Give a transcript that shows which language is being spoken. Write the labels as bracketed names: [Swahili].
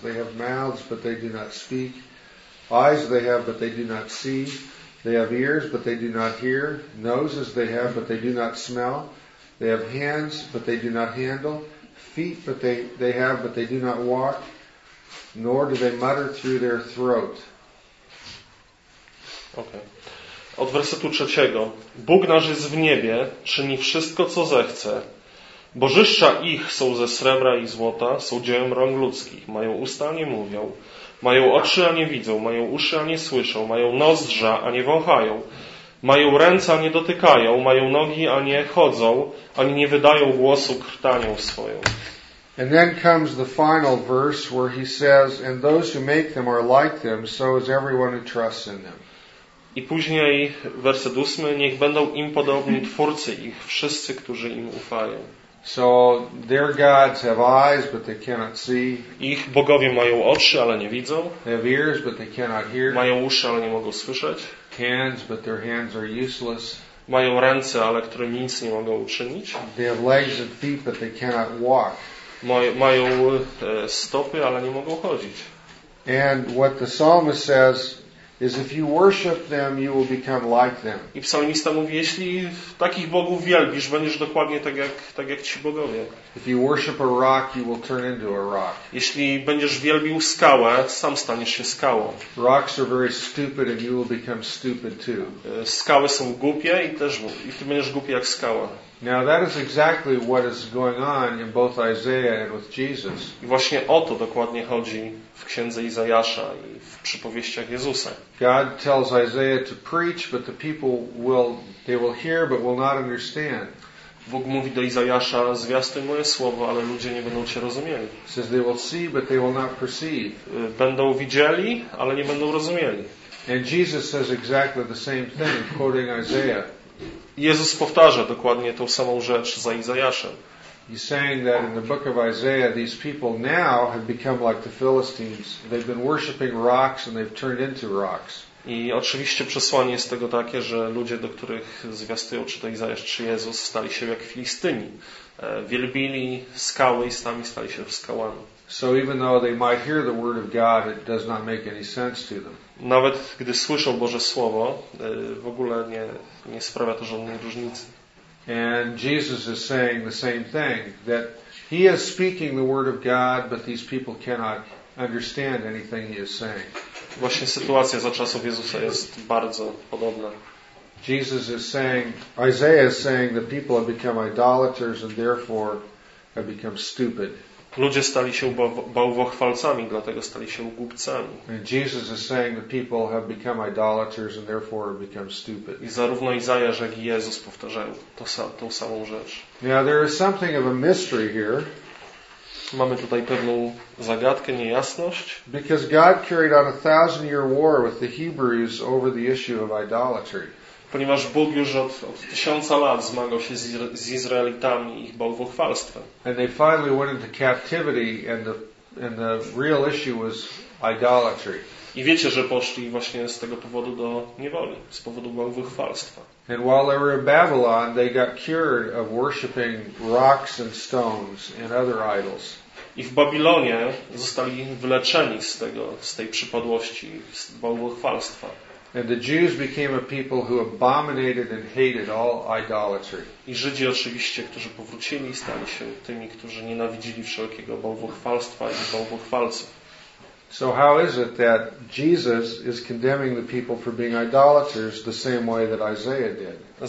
[English] They have mouths, but they do not speak. Eyes they have, but they do not see. They have ears, but they do not hear. Noses they have, but they do not smell. They have hands, but they do not handle. Feet, but they have, but they do not walk. nor do they mutter through their throat. [Polish] Okay. Od wersetu trzeciego. Bóg nasz jest w niebie, czyni wszystko, co zechce. Bożyszcza ich są ze srebra i złota, są dziełem rąk ludzkich. Mają usta, a nie mówią. Mają oczy, a nie widzą. Mają uszy, a nie słyszą. Mają nozdrza, a nie wąchają. Mają ręce, a nie dotykają. Mają nogi, a nie chodzą. Ani nie wydają głosu krtanią swoją. [English] And then comes the final verse where he says, and those who make them are like them, so is everyone who trusts in them. [Polish] I później werset ósmy, niech będą im podobni twórcy ich, wszyscy, którzy im ufają. [English] So their gods have eyes, but they cannot see. [Polish] Ich bogowie mają oczy, ale nie widzą. [English] They have ears, but they cannot hear. [Polish] Mają uszy, ale nie mogą słyszeć. [English] Hands, but their hands are useless. [Polish] Mają ręce, ale które nic nie mogą uczynić. [English] They have legs and feet, but they cannot walk. [Polish] Mają stopy, ale nie mogą chodzić. [English] And what the psalmist says is, if you worship them, you will become like them. [Polish] I psalmista mówi, jeśli takich bogów wielbisz, będziesz dokładnie tak jak ci bogowie. [English] If you worship a rock, you will turn into a rock. [Polish] Jeśli będziesz wielbił skałę, sam staniesz się skałą. [English] Rocks are very stupid, and you will become stupid too. [Polish] Skały są głupie i też i ty będziesz głupi jak skała. [English] Now that is exactly what is going on in both Isaiah and with Jesus. [Polish] I właśnie o to dokładnie chodzi w Księdze Izajasza i w przypowieściach Jezusa. [English] God tells Isaiah to preach, but the people will hear but will not understand. [Polish] Bóg mówi do Izajasza, zwiastuj moje słowo, ale ludzie nie będą cię rozumieli. [English] Says they will see, but they will not perceive. [Polish] Będą widzieli, ale nie będą rozumieli. [English] And Jesus says exactly the same thing, quoting Isaiah. [Polish] Jezus powtarza dokładnie tą samą rzecz za Izajaszem. [English] He's saying that in the book of Isaiah, these people now have become like the Philistines. They've been worshiping rocks and they've turned into rocks. [Polish] I oczywiście przesłanie jest tego takie, że ludzie, do których zwiastują, czy to Izajasz, czy Jezus, stali się jak Filistyni. Wielbili skały i sami stali się skałami. [English] So even though they might hear the word of God, it does not make any sense to them. [Polish] Nawet gdy słyszą Boże słowo, w ogóle nie sprawia to żadnej różnicy. [English] And Jesus is saying the same thing, that he is speaking the word of God, but these people cannot understand anything he is saying. [Polish] Właśnie sytuacja za czasów Jezusa jest bardzo podobna. [English] Jesus is saying, Isaiah is saying, the people have become idolaters and therefore have become stupid. [Polish] Ludzie stali się bałwochwalcami, dlatego stali się głupcami. [English] Jesus is saying the people have become idolaters and therefore have become stupid. [Polish] I zarówno Izajasz, jak i Jezus powtarzają tą samą rzecz. [English] Now there is something of a mystery here. [Polish] Mamy tutaj pewną zagadkę, niejasność. [English] Because God carried on a thousand-year war with the Hebrews over the issue of idolatry. [Polish] Ponieważ Bóg już od tysiąca lat zmagał się z Izraelitami i ich bałwochwalstwem. [English] And they finally went into captivity and the real issue was idolatry. [Polish] I wiecie, że poszli właśnie z tego powodu do niewoli, z powodu bałwochwalstwa. [English] And while they were in Babylon, they got cured of worshiping rocks and stones and other idols. [Polish] I w Babilonie zostali wyleczeni z tej przypadłości, z bałwochwalstwa. [English] And the Jews became a people who abominated and hated all idolatry. [Polish] I Żydzi oczywiście, którzy powrócili, stali się tymi, którzy nienawidzili wszelkiego bałwochwalstwa i bałwochwalców. [English] So how is it that Jesus is condemning the people for being idolaters the same way that Isaiah did?